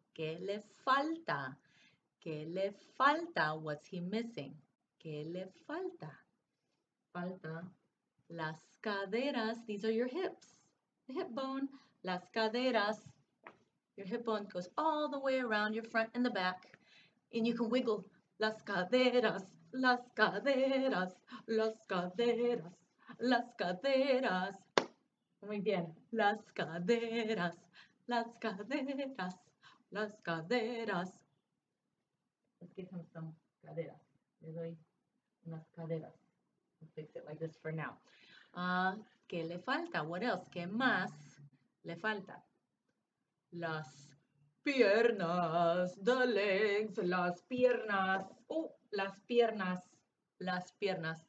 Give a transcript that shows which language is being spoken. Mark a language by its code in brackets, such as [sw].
[es] ¿Qué le falta? ¿Qué le falta? [en] What's he missing? [es] ¿Qué le falta? Falta las caderas. [en] These are your hips. The hip bone, las caderas. Your hip bone goes all the way around your front and the back. And you can wiggle. [es] Las caderas, las caderas, las caderas, las caderas. Muy bien. Las caderas, las caderas, las caderas. [en] Let's give him some caderas. [es] Le doy unas caderas. [en] Let's fix it like this for now. [es] ¿Qué le falta? [en] What else? [es] ¿Qué más le falta? Las piernas, [en] the legs, [es] las piernas. Oh, las piernas, las piernas.